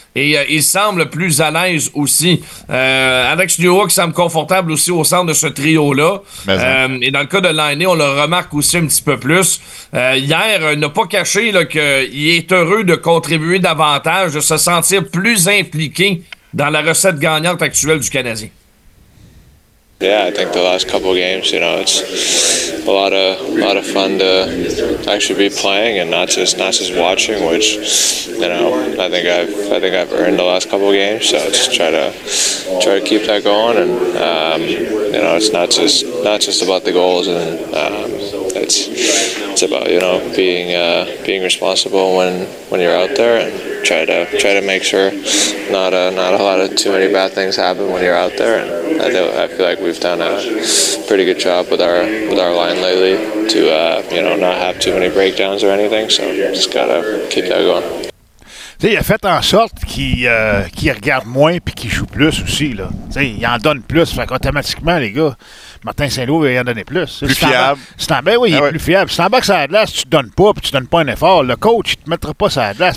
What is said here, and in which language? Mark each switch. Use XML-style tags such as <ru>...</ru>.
<fr>Et il semble plus à l'aise aussi. Alex Newhook semble confortable aussi au centre de ce trio-là. Et dans le cas de Laine, on le remarque aussi un petit peu plus. Hier, il n'a pas caché là, qu'il est heureux de contribuer davantage, de se sentir plus impliqué dans la recette gagnante actuelle du Canadien.</fr> <en>Yeah, I think the last couple games, you know, it's a lot of fun to actually be playing and not just watching, which, you know, I think I've earned the last couple games. So just try to keep that going, and you know, it's not just about the goals, and it's about, you know, being responsible when you're out there, and try to make sure not a lot of too many bad things happen when you're out there. And I feel like we've done a pretty good job with our line lately to you know, not have too many breakdowns or anything. So just gotta keep that going.</en> <fr>T'sais, il a fait en sorte qu'il regarde moins puis qu'il joue plus aussi là. T'sais, il en donne plus. Fait qu'automatiquement les gars, Martin Saint-Louis va y en donner plus. Plus fiable. Plus fiable. Si t'en bats que ça a de l'asse, tu te donnes pas, puis tu donnes pas un effort. Le coach, il te mettra pas ça a de l'asse.</fr>